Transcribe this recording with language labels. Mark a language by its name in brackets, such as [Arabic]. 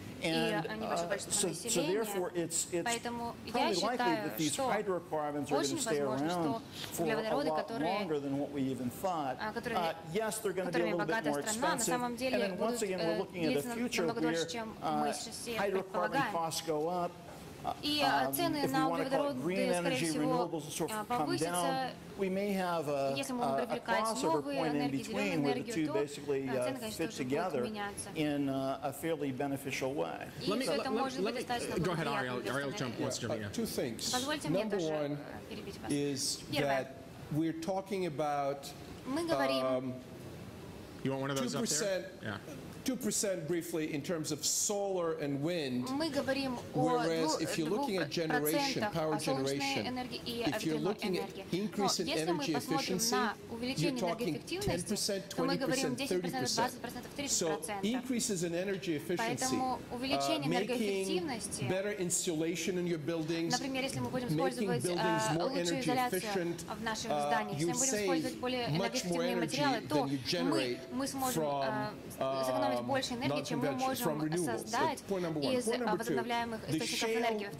[English] And so therefore, it's probably likely that these hydrocarbons are going to stay around for a lot longer than what we even thought. Yes, they're going to be a little bit more expensive. And then once again, we're looking at a future where hydrocarbon costs go up. [Russian] И цены на углеводороды, скорее всего, повысятся. Если мы будем привлекать новые энергии, зеленую энергию, то цены, конечно, тоже будут меняться. И все это может быть достаточно благоприятно. Позвольте мне тоже перебить вас. Первое. Мы говорим... [English] You want one of those 2%, up there? Yeah. 2% briefly in terms of solar and wind. [Russian] Мы говорим [English] whereas if you're looking at generation, power generation, if you're looking at increase in energy efficiency, you're talking 10%, 20%, 30%. So increases in energy efficiency, making better insulation in your buildings, making buildings more energy efficient, you save much more energy than you generate from [Russian] больше энергии, чем мы можем создать [English] point number one. [Russian] Из возобновляемых источников энергии.